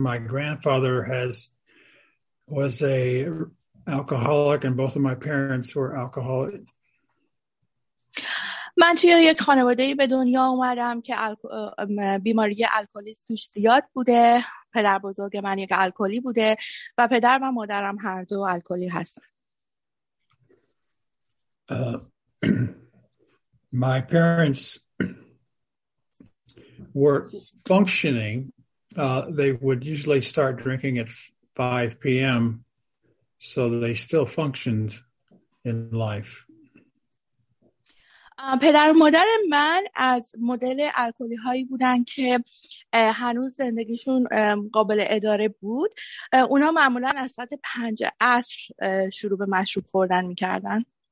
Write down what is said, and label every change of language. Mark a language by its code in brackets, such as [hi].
[en] My grandfather was a alcoholic, and both of my parents were alcoholic. [fa] من توی یک خانواده به دنیا اومدم که بیماری الکلیسم توش زیاد بوده. پدر بزرگ من یک الکلی بوده و پدر و مادرم هر دو الکلی هستن. [en] My parents were functioning. They would usually start drinking at 5 p.m. So they still functioned in life. [fa] پدر و مادر من از مدل الکلی هایی بودن که هنوز زندگیشون قابل اداره بود. اونا معمولا از ساعت 5 عصر شروع به مشروب خوردن میکردن.